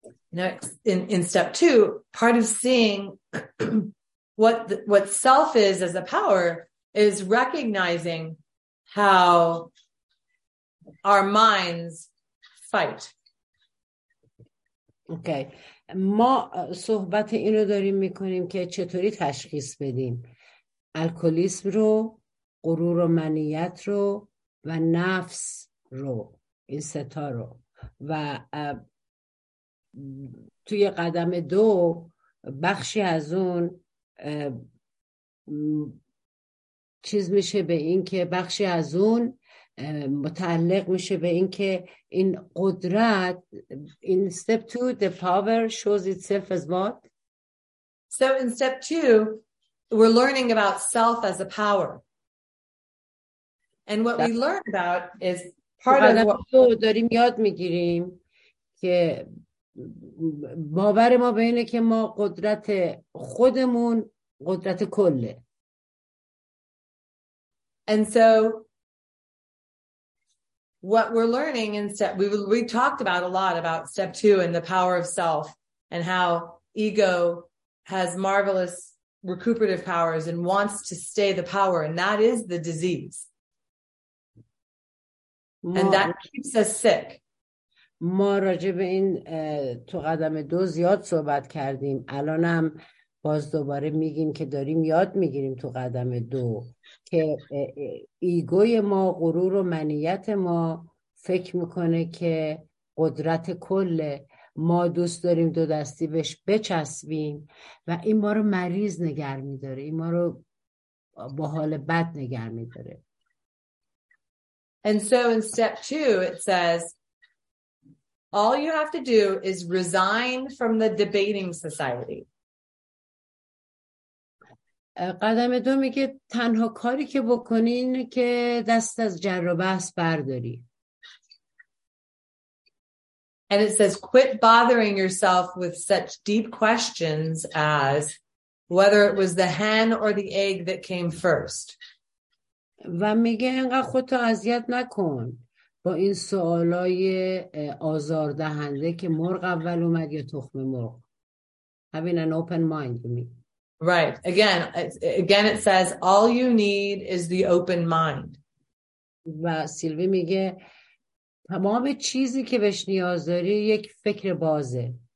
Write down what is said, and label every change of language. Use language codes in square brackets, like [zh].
[en] next in step two, part of seeing what self is as a power is recognizing how our minds fight. [fa] Okay, ما صحبت اینو داریم میکنیم که چطوری تشخیص بدیم الکلیسم رو، غرور و منیت رو و نفس رو، این ستا رو. و توی قدم دو بخشی از اون چیز میشه به این که بخشی از اون متعلق میشه به این که این قدرت، این [en] step two, the power shows itself as what? So in step two, we're learning about self as a power. And what we learn about is part of what [fa] we داریم یاد میگیریم که باور ما به اینه که ما قدرت خودمون قدرت کله. [en] And so what we're learning in step, we talked about a lot about step two and the power of self and how ego has marvelous recuperative powers and wants to stay the power, and that is the disease. And that keeps us sick. [fa] ما راجع به این تو قدم دو زیاد صحبت کردیم. الانم باز دوباره میگیم که داریم یاد میگیریم تو قدم دو که ایگوی ما، غرور و منیت ما فکر میکنه که قدرت کله. ما دوست داریم دو دستی بهش بچسبیم و این ما رو مریض نگر میداره، این ما رو با حال بد نگر میداره. [en] And so in step two, it says, all you have to do is resign from the debating society. [fa] قدم دو میگه تنها کاری که بکنین که دست از جر و بحث برداری. [en] And it says, quit bothering yourself with such deep questions as whether it was the hen or the egg that came first. [fa] و میگه انقدر خودتو اذیت نکن با این سوالای آزاردهنده که مرغ اول اومد یا تخم مرغ. [en] Having an open mind, you mean. Right. Again it says all you need is the open mind. [fa] و سیلوی میگه تمام چیزی که بهش نیاز داری یک فکر بازه.